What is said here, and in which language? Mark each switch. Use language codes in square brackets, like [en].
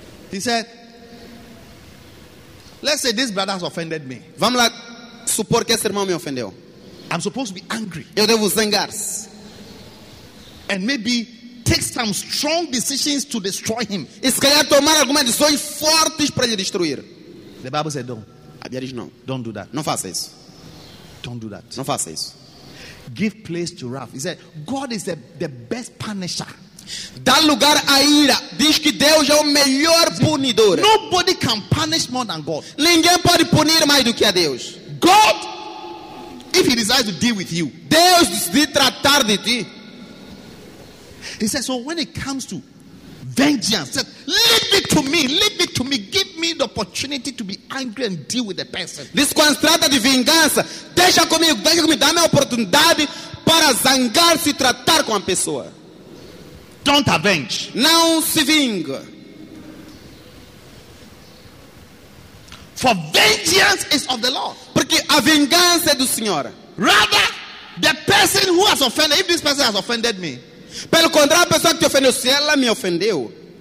[en] He said, let's say this brother has offended me. [pt] Vamos lá, supor que esse irmão me ofendeu. [en] I'm supposed to be angry. [pt] Eu devo zangar. [en] And maybe take some strong decisions to destroy him. [pt] E se calhar tomar algumas decisões fortes para lhe destruir. [en] The Bible said, don't. [pt] Não. [en] Don't do that. [pt] Não faça isso. [en] Don't do that. [pt] Não faça isso. [en] Give place to wrath. He said, God is the best punisher. [pt] Dá lugar à ira. Diz que Deus é o melhor punidor. [en] Nobody can punish more than God. [pt] Ninguém pode punir mais do que a Deus. [en] God, if he decides to deal with you, [pt] Deus de tratar de ti. [en] He said, so when it comes to vengeance, said, leave it to me. Leave it to me. Give me the opportunity to be angry and deal with the person. [pt] Diz, quando se trata de vingança, deixa comigo, dá-me a oportunidade para zangar-se e tratar com a pessoa. [en] Don't avenge. [pt] Não se vinga. [en] For vengeance is of the Lord. [pt] Porque a vingança é do Senhor. [en] Rather, the person who has offended, if this person has offended me, [pt] pelo contrário, a pessoa que te ofendeu, se ela me ofendeu,